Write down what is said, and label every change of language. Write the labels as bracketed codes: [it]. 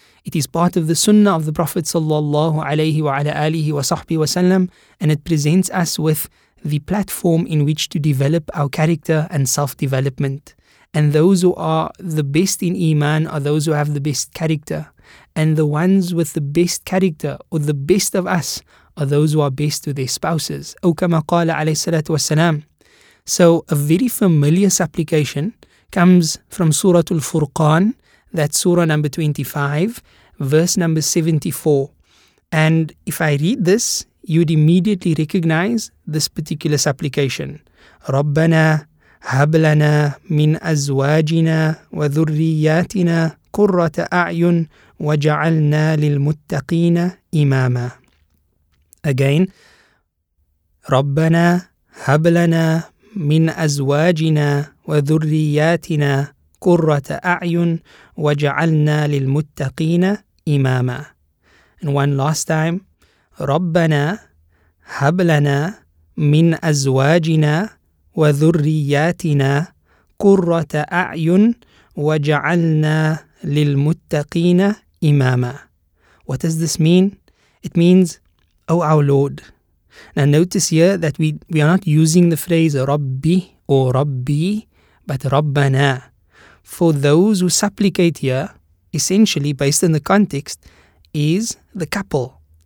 [en] It is part of the sunnah of the Prophet sallallahu alayhi wa ala alihi wa sahbihi wa sallam, and it presents us with the platform in which to develop our character and self-development. And those who are the best in iman are those who have the best character. And the ones with the best character, or the best of us, are those who are best to their spouses. [ar] أو كما قال عليه الصلاة والسلام. [en] So a very familiar supplication comes from Surah Al-Furqan, that's Surah number 25, verse number 74. And if I read this, you'd immediately recognize this particular supplication. [ar] ربنا هب لنا من أزواجنا وذرياتنا قرة أعين وجعلنا للمتقين إماما. [en] Again, [ar] ربنا هب لنا من أزواجنا وذرياتنا قرة أعين وجعلنا للمتقين إماما. [en] And one last time, [ar] ربنا هب لنا من أزواجنا وذرياتنا قرة أعين وجعلنا للمتقين إماما. [en] What does this mean? It means, O our Lord. Now notice here that we are not using the phrase Rabbi or Rabbi, but Rabbana. For those who supplicate here, essentially based on the context, is the couple.